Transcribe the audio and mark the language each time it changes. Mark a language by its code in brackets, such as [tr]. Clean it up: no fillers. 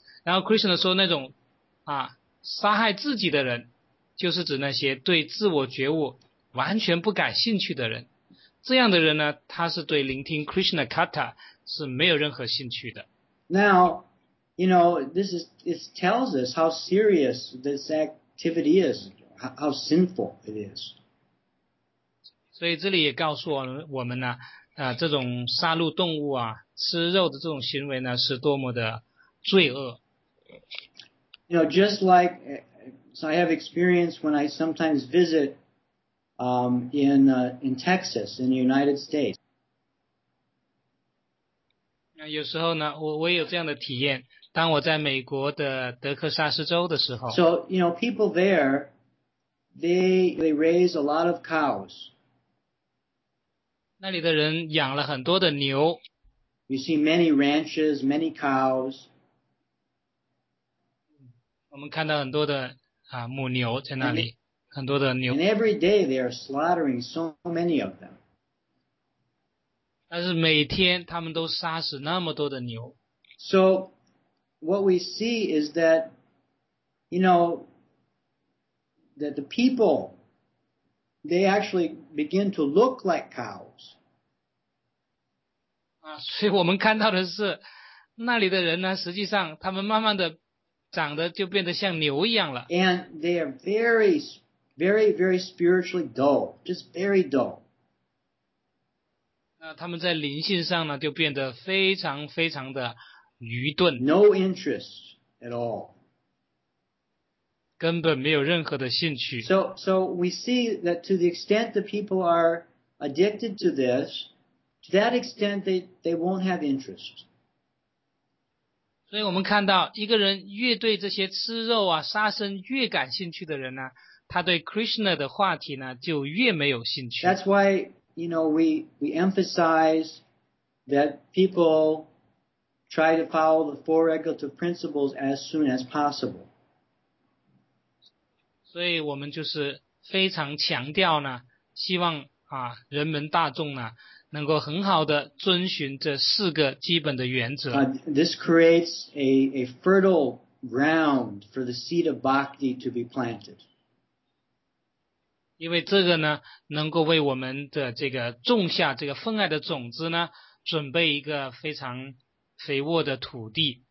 [zh] 然后 Krishna 说那种杀害自己的人，就是指那些对自我觉悟完全不感兴趣的人，这样的人呢，他是对聆听 Krishna Katha 是没有任何兴趣的。 [en] Now, you know, this tells us how serious this activity is, how sinful it is. [zh] 所以这里也告诉我们呢这种杀戮动物吃肉的这种行为呢，是多么的罪恶。 [en] You know, just like, so I have experience when I sometimes visit in Texas, in the United States. [zh] 有时候呢，我也有这样的体验，当我在美国的德克萨斯州的时候。 [en] So, you know, people there, they raise a lot of cows. [zh] 那里的人养了很多的牛。 [en] You see many ranches, many cows. [zh] 我们看到很多的母牛在那里，很多的牛。 [en] And every day they are slaughtering so many of them. [zh] 但是每天他们都杀死那么多的牛。 [en] So what we see is that, you know, that the people, they actually begin to look like cows. [zh] 所以我们看到的是，那里的人呢，实际上他们慢慢的。长得就变得像牛一样了。 [en] And they are very, very, very spiritually dull, just very dull. [zh] 那他们在灵性上呢，就变得非常非常的愚钝。 [en] No interest at all. [zh] 根本没有任何的兴趣。 [en] So we see that to the extent that people are addicted to this, to that extent they won't have interest. [zh] 所以我们看到一个人越对这些吃肉杀生越感兴趣的人呢，他对 Krishna 的话题呢就越没有兴趣。 [en] That's why, you know, we emphasize that people try to follow the four regulative principles as soon as possible. [zh] 所以我们就是非常强调呢，希望人们大众呢能够很好的遵循这四个基本的原则。 [en] This creates a fertile ground for the seed of bhakti to be planted. [zh] 因为这个呢，能够为我们的这个种下这个分爱的种子呢，准备一个非常肥沃的土地。